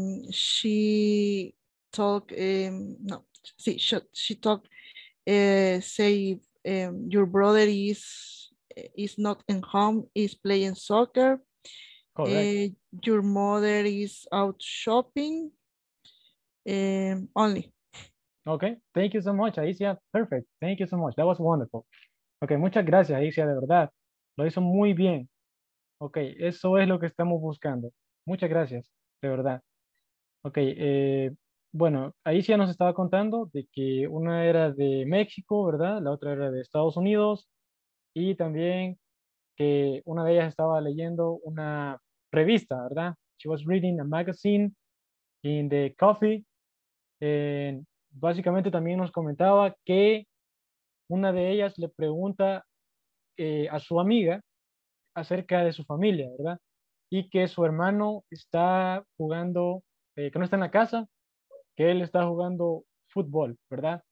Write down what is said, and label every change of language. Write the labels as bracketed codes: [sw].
[en] She talk no see she talk say your brother is not in home, is playing soccer. Your mother is out shopping only. Okay, thank you so much, Aisha. Perfect, thank you so much, that was wonderful. [es] Okay, muchas gracias, Aisha, de verdad lo hizo muy bien. Okay, eso es lo que estamos buscando. Muchas gracias, de verdad. Ok, bueno, ahí sí ya nos estaba contando de que una era de México, ¿verdad? La otra era de Estados Unidos. Y también que una de ellas estaba leyendo una revista, ¿verdad? [en] She was reading a magazine in the coffee. [es] Básicamente también nos comentaba que una de ellas le pregunta a su amiga acerca de su familia, ¿verdad? Y que su hermano está jugando, que no está en la casa, que él está jugando fútbol, ¿verdad?